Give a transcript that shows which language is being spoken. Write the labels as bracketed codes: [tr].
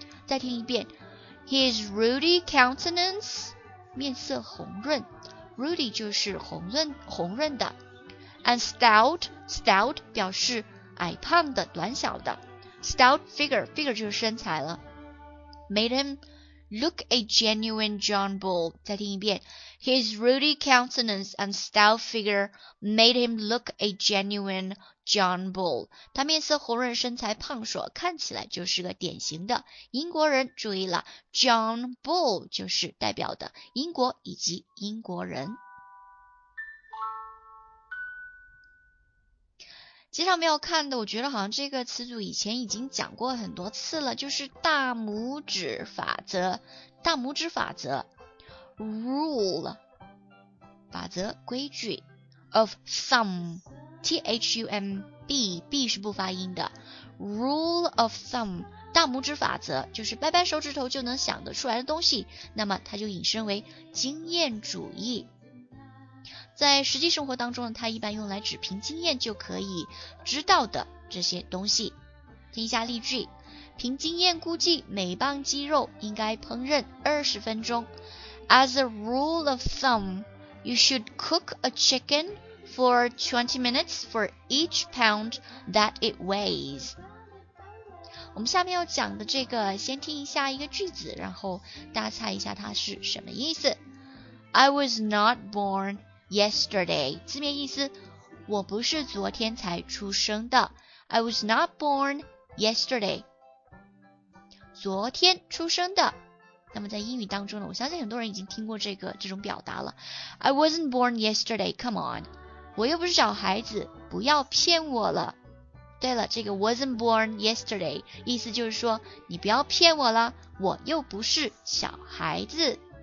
[zh] 再听一遍， [en] His ruddy countenance， [zh] 面色红润， ruddy 就是红润的， [en] and stout [zh] 表示矮胖的、短小的， stout figure 就是身材了， [en] made him Look a genuine John Bull. [zh] 再听一遍。 [en] His ruddy countenance and stout figure made him look a genuine John Bull. [zh] 他面色红润，身材胖硕，看起来就是个典型的英国人。注意了 ,John Bull 就是代表的英国以及英国人。经常没有看的，我觉得好像这个词组以前已经讲过很多次了，就是大拇指法则，大拇指法则 ,rule, 法则规矩 ,of thumb,T-H-U-M-B, B 是不发音的 ,rule of thumb, 大拇指法则就是掰掰手指头就能想得出来的东西，那么它就引申为经验主义。在实际生活当中，它一般用来指凭经验就可以知道的这些东西。听一下例句，凭经验估计每磅肌肉应该烹饪20分钟。 [en] As a rule of thumb, you should cook a chicken for 20 minutes for each pound that it weighs. [zh] 我们下面要讲的这个，先听一下一个句子，然后大家猜一下它是什么意思。 [en] I was not born yesterday. [zh] 字面意思，我不是昨天才出生的。 [en] I was not born yesterday. [zh] 昨天出生的。那么在英语当中呢，我相信很多人已经听过这种表达了。 [en] I wasn't born yesterday. Come on. [zh] 我又不是小孩子，不要骗我了。对了，这个 [en] wasn't born yesterday [zh] 意思就是说，你不要骗我了，我又不是小孩子。